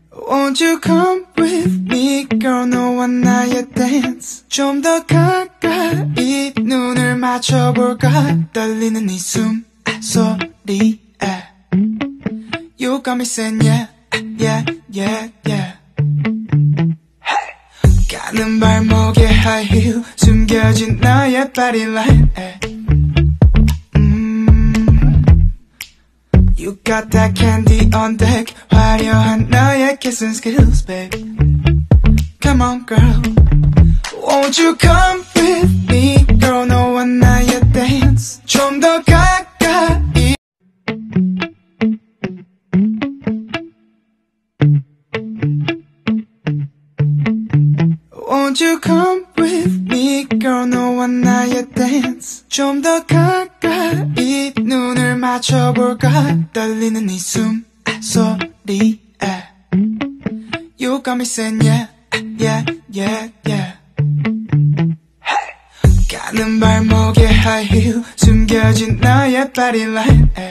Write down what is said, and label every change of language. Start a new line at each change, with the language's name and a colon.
English: Won't you come with me, girl? No one now you dance.
Korean: 좀 더 가까이 눈을 맞춰볼까? 떨리는 이 숨소리에.
English: You got me saying yeah, yeah, yeah, yeah. Hey!
Korean: 가는 발목에 high heel, 숨겨진 나의 body line.
English: You got that candy on deck,
Korean: 화려한 너의
English: kissing skills, babe. Come on, girl. Won't you come with me, girl? No one now you dance.
Korean: 좀 더 가까이.
English: Won't you come with me, girl? No one now you dance.
Korean: 좀 더 가까이 눈을 맞춰볼까? 떨리는 이 숨소리에.
English: You got me saying yeah, yeah, yeah, yeah. Hey!
Korean: 가는 발목에 high heel, 숨겨진 너의 body line.